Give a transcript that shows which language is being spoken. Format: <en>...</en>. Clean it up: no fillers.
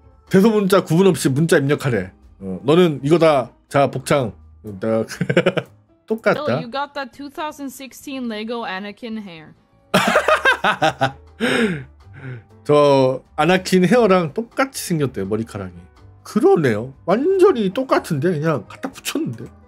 <ko>대소 문자 구분 없이 문자 입력하래. 너는 이거다. 자, 복창. 똑같다.</ko> <en>No, you got that 2016 Lego Anakin hair.</en> <ko>저 아나킨 헤어랑 똑같이 생겼대요, 머리카락이. 그러네요. 완전히 똑같은데 그냥 갖다 붙였는데.</ko>